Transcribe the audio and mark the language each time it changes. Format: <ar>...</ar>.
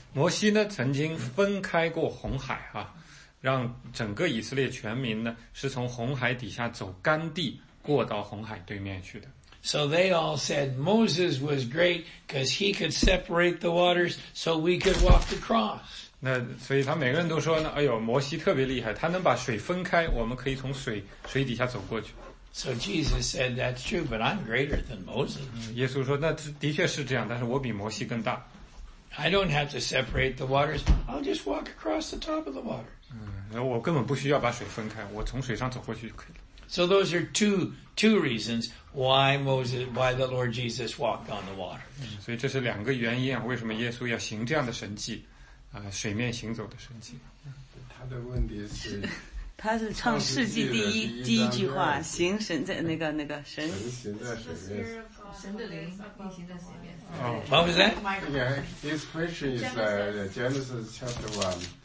<zh>摩西呢曾经分开过红海啊，让整个以色列全民呢是从红海底下走干地过到红海对面去的。</zh> <en>So they all said Moses was great because he could separate the waters so we could walk across.</en> <zh>那所以他每个人都说呢，哎呦，摩西特别厉害，他能把水分开，我们可以从水底下走过去。</zh> <en>So Jesus said, "That's true, but I'm greater than Moses."</en> <zh>耶稣说，那的确是这样，但是我比摩西更大。</zh> <en>I don't have to separate the waters. I'll just walk across the top of the water.</en> <zh>我根本不需要把水分开，我从水上走过去就可以了。</zh> <en>So those are two reasons why the Lord Jesus walked on the water.</en> <zh>所以这是两个原因啊，为什么耶稣要行这样的神迹，水面行走的神迹。他的问题是。他是唱世纪第一句话，行神在那个神行在水面，神的灵运行在水面。</zh> <en>Oh, what was that? Yeah, this question is Genesis chapter 1.</en>